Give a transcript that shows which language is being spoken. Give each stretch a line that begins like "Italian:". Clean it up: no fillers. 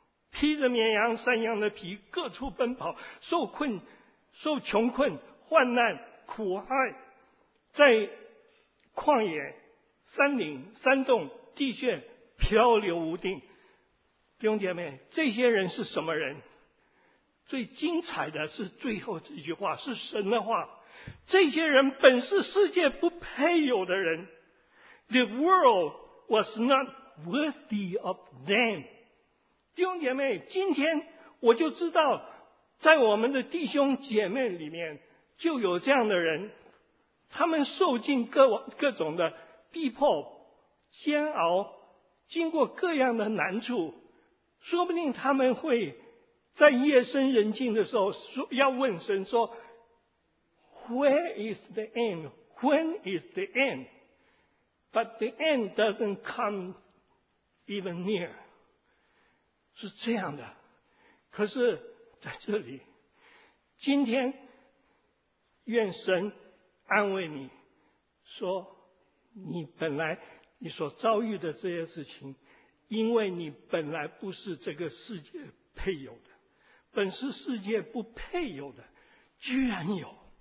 Chinese: 披着绵羊山羊的皮，各处奔跑，受困，受穷困，患难苦害，在旷野、山岭、山洞、地陷，漂流无定。弟兄姐妹，这些人是什么人？最精彩的是最后这句话，是神的话。这些人本是世界不配有的人。
English: The world was not worthy of them。
Chinese: 弟兄姐妹，今天我就知道，在我们的弟兄姐妹里面就有这样的人，他们受尽各种的逼迫、煎熬，经过各样的难处，说不定他们会在夜深人静的时候要问神说
English: Where is the end? When is the end? But the end doesn't come even near。
Chinese: 是这样的，可是在这里，今天愿神安慰你，说你本来你所遭遇的这些事情，因为你本来不是这个世界配有的，本是世界不配有的，居然有，